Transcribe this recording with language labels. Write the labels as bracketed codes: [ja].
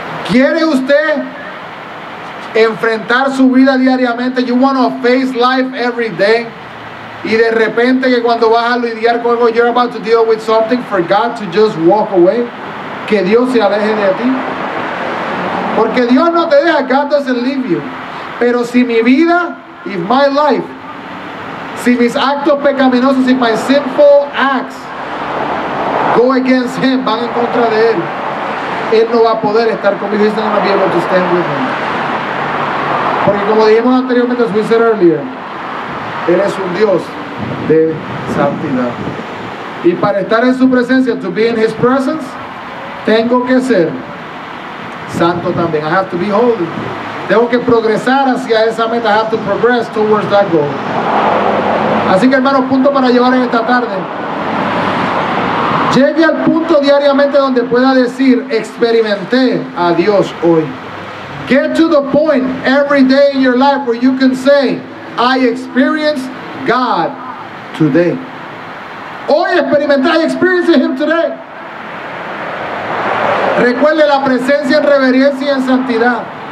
[es] ¿Quiere usted enfrentar su vida diariamente? [en] You want to face life every day. [es] Y de repente que cuando vas a lidiar con algo, [en] you're about to deal with something, for God to just walk away. [es] Que Dios se aleje de ti. Porque Dios no te deja, [en] God doesn't leave you. [es] Pero si mi vida, [en] if my life, [es] si mis actos pecaminosos, si [en] my sinful acts go against him, [es] van en contra de él, él no va a poder estar conmigo. [en] He's not going to be able to stand with him. [es] Porque como dijimos anteriormente, [en] as we said earlier, [es] él es un Dios de santidad. Y para estar en su presencia, [en] to be in his presence, [es] tengo que ser santo también. [en] I have to be holy. [es] Tengo que progresar hacia esa meta. [en] I have to progress towards that goal. [es] Así que hermanos, punto para llevar en esta tarde. Llegue al punto diariamente donde pueda decir, experimenté a Dios hoy. [en] Get to the point every day in your life where you can say, I experienced God today. [es] Hoy experimenté, [en] I experienced him today. [es] Recuerde la presencia en reverencia y en santidad.